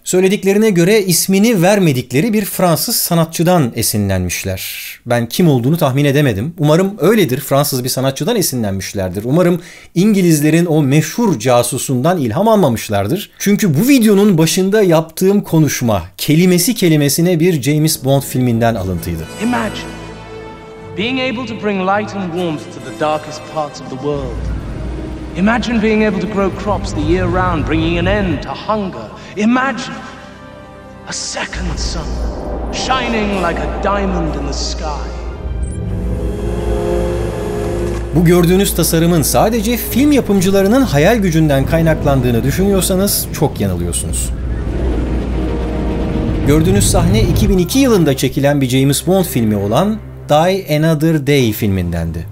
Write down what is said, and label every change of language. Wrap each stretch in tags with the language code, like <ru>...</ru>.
<tr>Söylediklerine göre ismini vermedikleri bir Fransız sanatçıdan esinlenmişler. Ben kim olduğunu tahmin edemedim. Umarım öyledir. Fransız bir sanatçıdan esinlenmişlerdir. Umarım İngilizlerin o meşhur casusundan ilham almamışlardır. Çünkü bu videonun başında yaptığım konuşma kelimesi kelimesine bir James Bond filminden alıntıydı.</tr> <en>Imagine being able to bring light and warmth to the darkest parts of the world. Imagine being able to grow crops the year round, bringing an end to hunger. Imagine a second sun shining like a diamond in the sky.</en> <tr>Bu gördüğünüz tasarımın sadece film yapımcılarının hayal gücünden kaynaklandığını düşünüyorsanız çok yanılıyorsunuz. Gördüğünüz sahne 2002 yılında çekilen bir James Bond filmi olan Die Another Day filmindendi.</tr>